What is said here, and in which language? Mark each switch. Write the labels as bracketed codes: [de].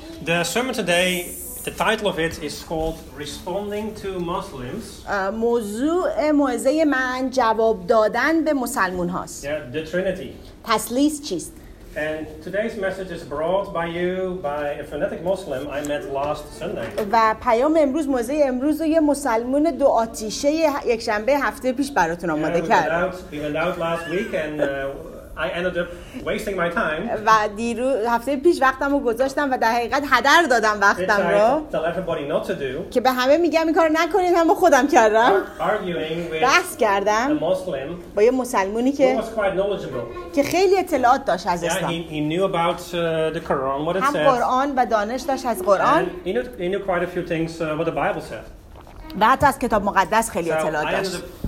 [en] The sermon today, the title of it is called Responding to Muslims. [fa] موضوع موعظه من جواب دادن به مسلمان هاست. [en] Yeah, the Trinity. [fa] تثلیث چیست؟ [en] And today's message is brought by you by a fanatic Muslim I met last Sunday. [fa] و پیام امروز موعظه امروز رو یه مسلمان دو آتیشه یک شنبه هفته پیش براتون آماده کردم. [en] We went out last week and I ended up wasting my time. [fa] و دیروز هفته پیش وقتمو گذاشتم و در حقیقت هدر دادم وقتم رو. [en] Tell everybody not to do. [fa] که به همه میگم این کارو نکنید، من خودم کردم. [en] Arguing with [fa] بحث کردم [en] a Muslim. [fa] با یه مسلمونی که [en] was quite knowledgeable. [fa] که خیلی اطلاعات داشت از اسلام. [en] Yeah, he knew about the Quran, what it [fa] هم [en] says. [fa] قرآن و دانش داشت از قرآن. [en] He knew quite a few things what the Bible said. [fa] و حتی از کتاب مقدس خیلی اطلاعات داشت.